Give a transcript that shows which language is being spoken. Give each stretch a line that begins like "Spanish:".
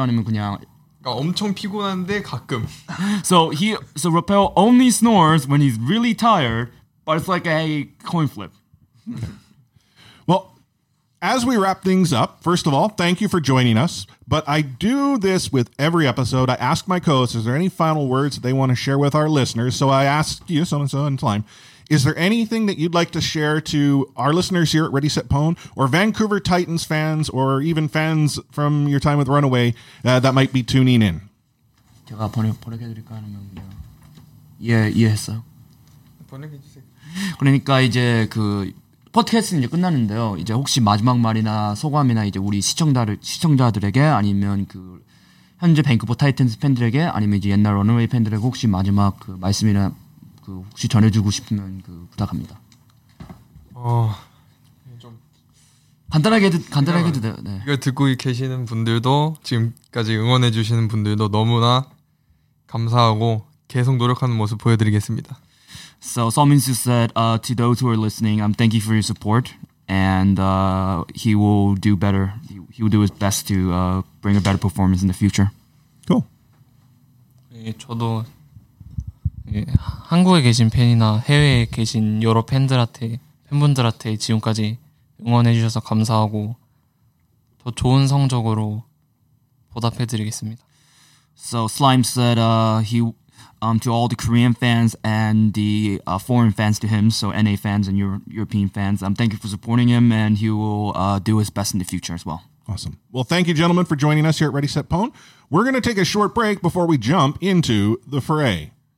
Korean: 아니면 그냥... 엄청 피곤한데 가끔.
English: So Rappel only snores when he's really tired, but it's like a coin flip. Well, as we wrap things up, first of all, thank you for joining us. But I do this with every episode. I ask my co-hosts, is there any final words that they want to share with our listeners? So I ask you, so-and-so in time, is there anything that you'd like to share to our listeners here at Ready, Set, Pwn, or Vancouver Titans fans, or even fans from your time with Runaway that might be tuning in?
Korean: 제가 보내게 드릴까 하면 그냥 예 이해했어. 보내게 주세요. 그러니까 이제 그 팟캐스트는 이제 끝났는데요. 이제 혹시 마지막 말이나 소감이나 이제 우리 시청자들에게 아니면 그 현재 밴쿠버 타이탄스 팬들에게 아니면 이제 옛날 Runaway 팬들에게 혹시 마지막 그 말씀이나 그 혹시 전해주고 싶으면 그 부탁합니다. 좀 간단하게 해도 돼요. 네. 이걸 듣고 계시는 분들도 지금까지 응원해주시는 분들도 너무나 감사하고 계속 노력하는 모습 보여드리겠습니다.
English: So Seomin Su said to those who are listening, thank you for your support, and he will do better. He will do his best to bring a better performance in the future. Cool.
Korean: 예, 저도 한국에 계신 팬이나 해외에 계신 여러 팬분들한테 지금까지 응원해 주셔서 감사하고 더 좋은 성적으로 보답해 드리겠습니다.
English: So Slime said to all the Korean fans and the foreign fans to him, so NA fans and European fans, thank you for supporting him and he will do his best in the future as well. Awesome. Well, thank you gentlemen for joining us here at Ready Set Pwn. We're going to take a short break before we jump into the fray.